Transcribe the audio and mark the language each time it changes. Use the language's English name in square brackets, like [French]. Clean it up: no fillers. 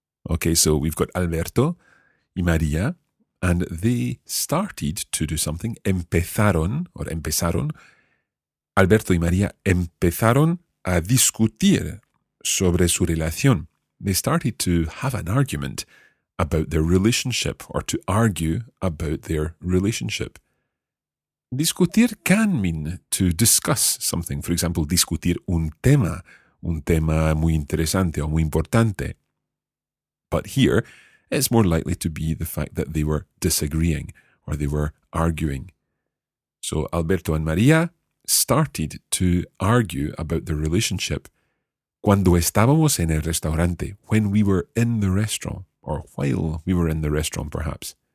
[English] Okay, so we've got Alberto y María, and they started to do something. [Spanish] Empezaron. Alberto y María empezaron a discutir sobre su relación. [English] They started to have an argument about their relationship, or to argue about their relationship. Discutir can mean to discuss something. For example, [Spanish] discutir un tema muy interesante o muy importante. [English] But here, it's more likely to be the fact that they were disagreeing or they were arguing. So Alberto and María started to argue about their relationship [Spanish] cuando estábamos en el restaurante, [English] when we were in the restaurant, or while we were in the restaurant, perhaps.